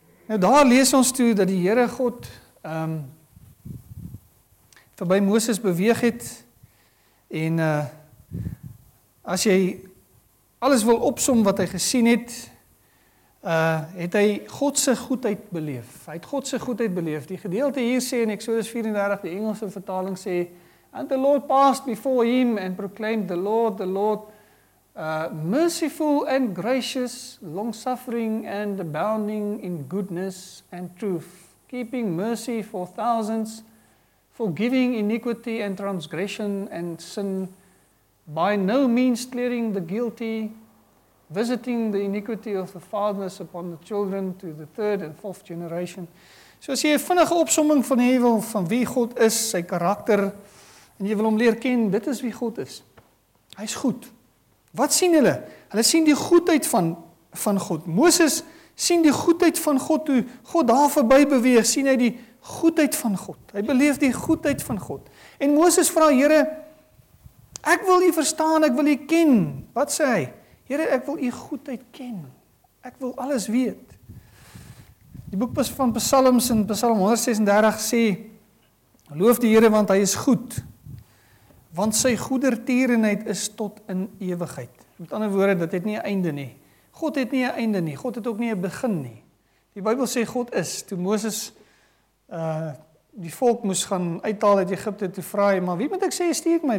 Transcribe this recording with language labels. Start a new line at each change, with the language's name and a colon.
Afrikaans: Nou daar lees ons toe dat die Here God voorbij Moses beweeg het. En as jy alles wil opsom wat hy gesien het, het hy Godse goedheid beleef. Hy het Godse goedheid beleef. Die gedeelte hier sê in Exodus 34, die Engelse vertaling sê,
English: and the Lord passed before him and proclaimed the Lord, merciful and gracious, long-suffering and abounding in goodness and truth, keeping mercy for thousands, forgiving iniquity and transgression and sin, by no means clearing the guilty, visiting the iniquity of the fathers upon the children to the 3rd and 4th generation.
Afrikaans: So as jy 'n vinnige opsomming van hier wil, van wie God is, sy karakter, en jy wil hom leer ken, dit is wie God is. Hy is goed. Wat sien hulle? Hulle sien die goedheid van God. Moses sien die goedheid van God, toe God daar verby beweeg, sien hy die goedheid van God. Hy beleef die goedheid van God. En Moses vra, Here, ek wil u verstaan, ek wil u ken. Wat sê hy? Here, ek wil u goedheid ken. Ek wil alles weet. Die boek van Psalms in Psalm 136 sê, loof die Here, want hy is goed. Want sy goedertierenheid is tot in ewigheid. Met ander woorde, dit het nie 'n einde nie. God het nie 'n einde nie. God het ook nie 'n begin nie. Die Bybel sê God is. Toe Moses die volk moes gaan uithaal uit Egipte, toe vra hy, maar wie moet ek sê, stuur my?